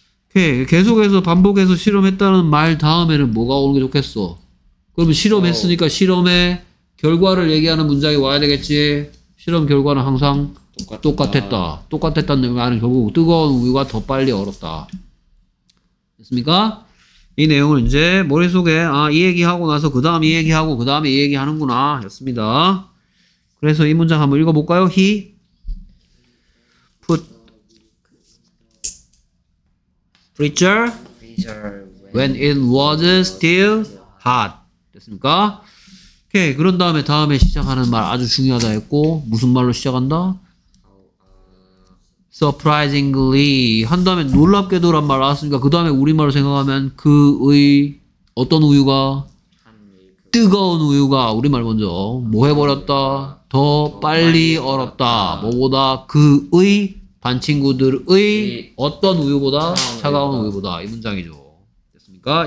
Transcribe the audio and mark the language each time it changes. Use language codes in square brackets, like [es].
[ko] 오케이 계속해서 반복해서 실험했다는 말 다음에는 뭐가 오는 게 좋겠어 그러면 실험했으니까 실험의 결과를 얘기하는 문장이 와야 되겠지 실험 결과는 항상 똑같았다 똑같았다는 말은 결국 뜨거운 우유가 더 빨리 얼었다 됐습니까? 이 내용을 이제 머릿속에 아, 이 얘기하고 나서 그 다음 이 얘기하고 그 다음에 이 얘기하는구나 였습니다 그래서 이 문장 한번 읽어볼까요? [en] He put freezer when it was still hot [ko] 됐습니까? 오케이 그런 다음에 다음에 시작하는 말 아주 중요하다 했고 무슨 말로 시작한다? surprisingly 한 다음에 놀랍게도 란 말 나왔으니까 그 다음에 우리말로 생각하면 그의 어떤 우유가 뜨거운 우유가 우리말 먼저 뭐 해버렸다 더 빨리 얼었다 뭐보다 그의 반친구들의 어떤 우유보다 차가운 우유보다 이 문장이죠 됐습니까?